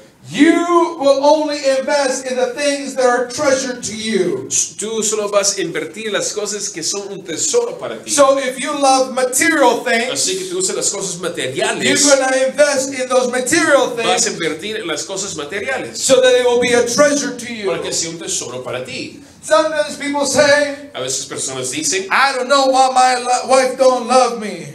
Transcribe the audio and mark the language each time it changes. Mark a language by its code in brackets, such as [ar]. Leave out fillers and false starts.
[en] You will only invest in the things that are treasure to you. [es] Tú solo vas a invertir las cosas que son un tesoro para ti. [en] So if you love material things, [es] así que tú usas las cosas materiales, [en] you're going to invest in those material things, [es] vas a invertir en las cosas materiales, [en] so that it will be a treasure to you. [es] Para que sea un tesoro para ti. [en] Sometimes people say, [es] a veces personas dicen, [en] I don't know why my wife don't love me.